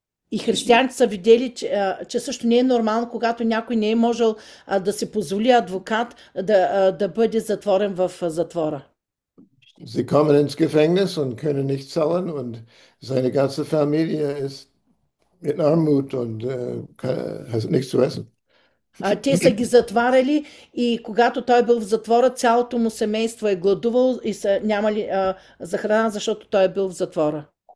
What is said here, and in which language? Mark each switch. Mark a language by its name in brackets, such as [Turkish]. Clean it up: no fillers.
[Bulgarian] И християните са видели, че също не е нормално, когато някой не е можел да си позволи адвокат да бъде затворен в затвора. [German] Sie kommen ins Gefängnis und können nicht zahlen, und seine ganze Familie ist in Armut und hat nichts zu essen. [Bulgarian] Те са ги затваряли и когато той бил в затвора, цялото му семейство е гладувало и са нямали за храна, защото той е бил в затвора.